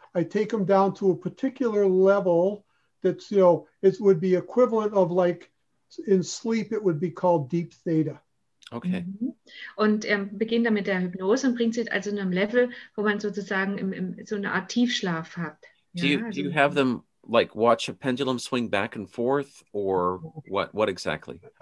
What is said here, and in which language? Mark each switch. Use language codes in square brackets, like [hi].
[en] I take them down to a particular level that's, you know, it would be equivalent of like in sleep, it would be called deep theta. Okay. [de] Und er beginnt dann mit der Hypnose und bringt sie also in einem Level, wo man sozusagen im so eine Art Tiefschlaf hat. [en] Do you have them like watch a pendulum swing back and forth or what exactly?